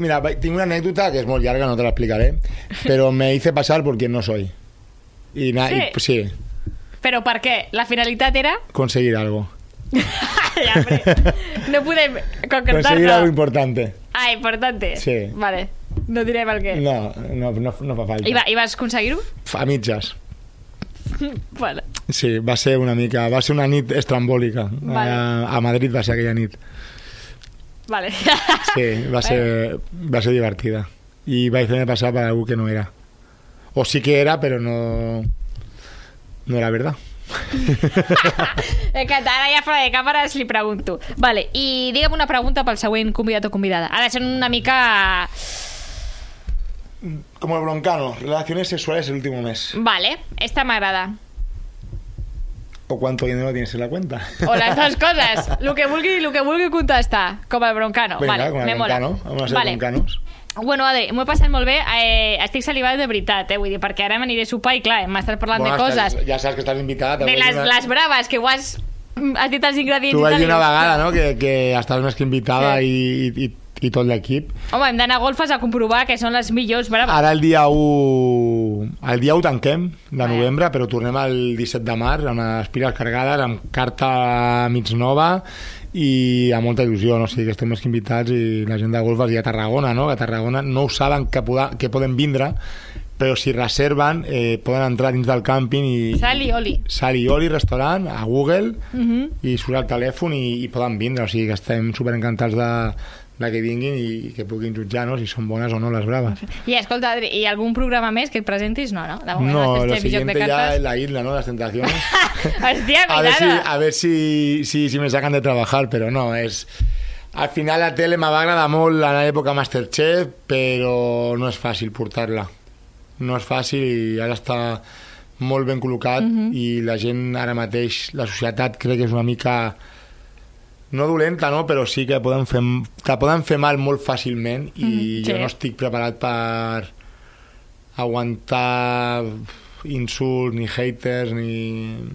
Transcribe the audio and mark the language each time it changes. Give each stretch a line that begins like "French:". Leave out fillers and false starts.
Catalan: Mira, tinc una anècdota que és molt llarga, no te l'explicaré.
Spanish: Però me hice pasar por quien no soy.
Catalan: I na, sí. Sí. Però per què? La finalitat era...
Spanish: Conseguir algo.
Catalan: Ja, no podem concretar-la.
Spanish: Conseguir algo importante. Ah, importante. Sí.
Catalan: Vale. No diré pel què. No, no, no, no fa falta. I vas aconseguir-ho? A mitges. Vale. Sí, va ser una mica, va ser una nit estrambòlica. Vale. A Madrid va ser aquella nit. Vale. Sí, va ser, vale. Va ser divertida. I vaig fer-me passar per algú que no era. O sí que era, però no...
Spanish: No era verdad.
Catalan: Encantada, ara ja fora de càmeres li pregunto. Vale, i digue'm una pregunta pel següent convidat o convidada. Ha de ser una mica...
Spanish: Como el broncano, relaciones sexuales el último mes. Vale, esta me agrada. ¿O cuánto dinero tienes en la cuenta? O las dos cosas, lo que vulgui y lo que vulgui contesta. Como el broncano. Venga, vale, como el me broncano, mola. Vamos a ser vale. broncanos.
Catalan: Bueno, Adri, m'ho he passat molt bé. Estic salivada de veritat, vull dir, perquè ara m'aniré a sopar i, clar, m'estàs parlant bueno, de coses. Ja saps que estàs invitada. De les braves, que ho has dit els ingredients. Tu vas dir una vegada, no?, que estàs més que invitada sí. I tot l'equip. Home, hem d'anar a golfes a comprovar que són les millors braves. Ara el dia 1... El dia 1 tanquem, de novembre, però tornem el 17 de març, amb les piles cargades, amb carta mig nova... i amb molta il·lusió, no? O sigui, que estem més que invitats i la gent de golfes i a Tarragona, no? A Tarragona no ho saben que poden vindre, però si reserven poden entrar dins del càmping i Sal i oli restaurant a Google i surt el telèfon i poden vindre, o sigui que estem super encantats de que vinguin i que puguin jutjar, no? Si són bones o no les braves. I escolta, Adri, i algun programa més que et presentis? No, no?
Spanish: No, lo siguiente ya es la isla, ¿no? Las tentaciones.
Catalan: Hòstia, mirada!
Spanish: A ver si me sacan de trabajar, pero no, es...
Catalan: Al final la tele me va agradar molt a l'època Masterchef, però no és fàcil portar-la. No és fàcil i ara està molt ben col·locat i la gent ara mateix, la societat, crec que és una mica... No dolenta, no, però sí que poden fer mal molt fàcilment i jo no estic preparat per aguantar insults ni haters ni...